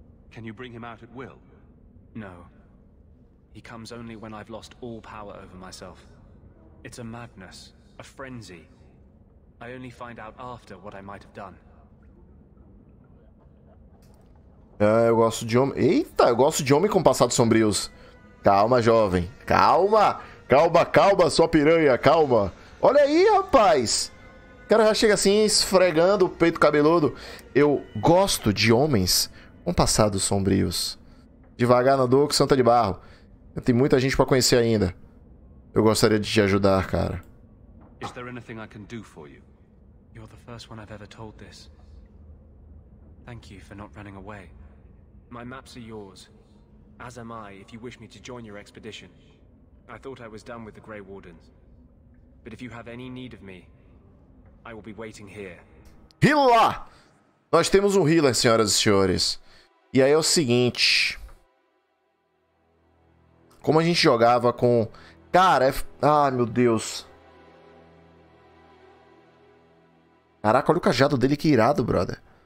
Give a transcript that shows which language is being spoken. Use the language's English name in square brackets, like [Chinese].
[English] Can you bring him out at will? No. He comes only when I've lost all power over myself. It's a madness, a frenzy. I only find out after what I might have done. [Portuguese] Eu gosto de homem com passados sombrios. Calma, jovem. Calma, sua piranha, calma. Olha aí, rapaz. O cara já chega assim esfregando o peito cabeludo. Eu gosto de homens com passados sombrios. Devagar, Nadu, que Santa de Barro. Tem muita gente pra conhecer ainda. Eu gostaria de te ajudar, cara. [English] Is there anything I can do for you? You're the first one I've ever told this. Thank you for not running away. My maps are yours. As am I, if you wish me to join your expedition. I thought I was done with the Grey Wardens. But if you have any need of me, I will be waiting here. Hila! [Portuguese] Nós temos um healer, senhoras e senhores. E aí é o seguinte. Como a gente jogava com... meu Deus. Caraca, olha o cajado dele, que irado, brother.